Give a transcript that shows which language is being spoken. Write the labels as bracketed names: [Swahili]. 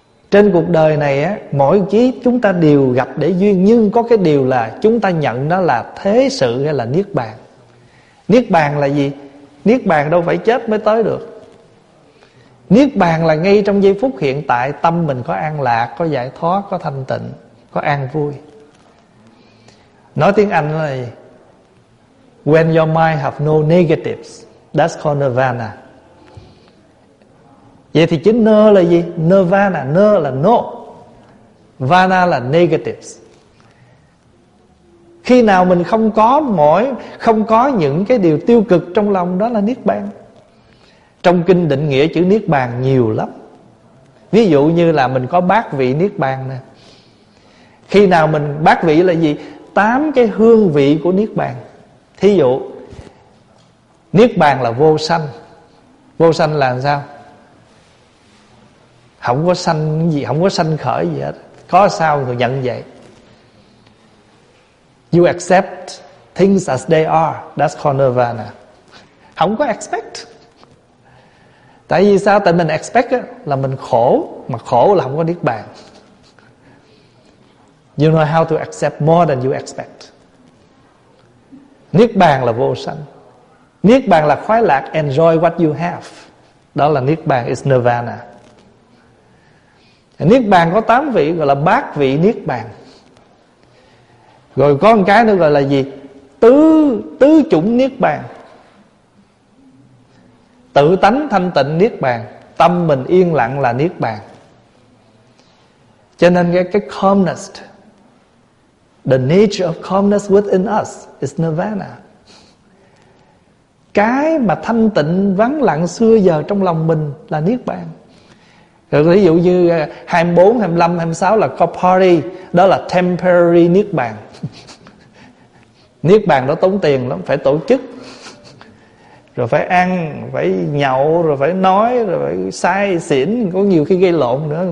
[Vietnamese] Trên cuộc đời này á, mỗi chí chúng ta đều gặp để duyên, nhưng có cái điều là chúng ta nhận nó là thế sự hay là niết bàn. Niết bàn là gì? Niết bàn đâu phải chết mới tới được. Niết bàn là ngay trong giây phút hiện tại, tâm mình có an lạc, có giải thoát, có thanh tịnh, có an vui. Nói tiếng Anh là gì? [English] When your mind have no negatives, that's called nirvana. [Vietnamese] Vậy thì chính nơ là gì? Nirvana, nơ là no, vana là negatives. Khi nào mình không có mỏi, không có những cái điều tiêu cực trong lòng, đó là niết bàn. Trong kinh định nghĩa chữ niết bàn nhiều lắm. Ví dụ như là mình có bát vị niết bàn nè. Khi nào mình bát vị là gì? Tám cái hương vị của niết bàn. Thí dụ niết bàn là vô sanh. Vô sanh là sao? Không có sanh gì, không có sanh khởi gì hết. Có sao người nhận vậy? [English] You accept things as they are, that's called nirvana. [Vietnamese] Không có expect. Tại vì sao? Tại mình expect á, là mình khổ, mà khổ là không có niết bàn. [English] You know how to accept more than you expect. [Vietnamese] Niết bàn là vô sanh. Niết bàn là khoái lạc, [English] enjoy what you have. [Vietnamese] Đó là niết bàn, is nirvana. Niết bàn có 8 vị gọi là bát vị niết bàn. Rồi có một cái nữa gọi là gì? Tứ chủng niết bàn. Tự tánh thanh tịnh niết bàn, tâm mình yên lặng là niết bàn. Cho nên cái [English] calmness, the nature of calmness within us is nirvana. [Vietnamese] Cái mà thanh tịnh vắng lặng xưa giờ trong lòng mình là niết bàn. Ví dụ như 24, 25, 26 là có party, đó là temporary niết bàn. Niết bàn đó tốn tiền lắm, phải tổ chức, rồi phải ăn, phải nhậu, rồi phải nói, rồi phải say xỉn, có nhiều khi gây lộn nữa.